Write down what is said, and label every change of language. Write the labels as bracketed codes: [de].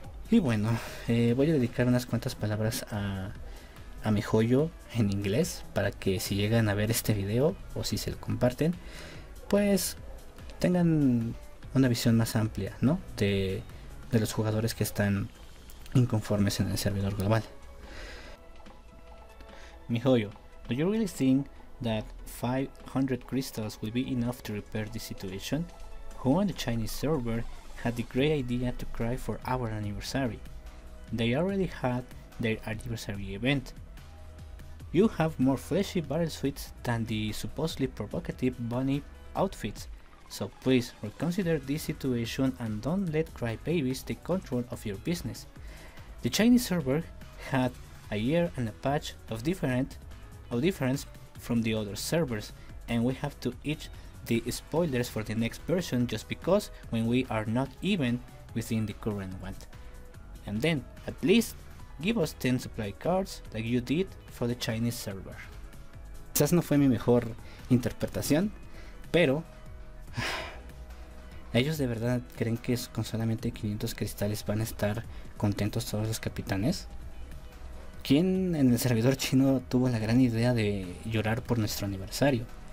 [es] Y bueno, voy a dedicar unas cuantas palabras a mi joyo en inglés, para que si llegan a ver este video o si se lo comparten, pues tengan una visión más amplia, ¿no? De los jugadores que están inconformes en el servidor global. [en] Mi joyo, ¿do you really think that 500 crystals will be enough to repair the situation? Who on the Chinese server had the great idea to cry for our anniversary? They already had their anniversary event. You have more flashy battle suits than the supposedly provocative bunny outfits, so please reconsider this situation and don't let crybabies take control of your business. The Chinese server had a year and a patch of difference from the other servers, and we have to eat the spoilers for the next version just because when we are not even within the current one. And then at least give us 10 supply cards like you did for the Chinese server. [es] Quizás no fue mi mejor interpretación, pero ¿ellos de verdad creen que con solamente 500 cristales van a estar contentos todos los capitanes? ¿Quién en el servidor chino tuvo la gran idea de llorar por nuestro aniversario?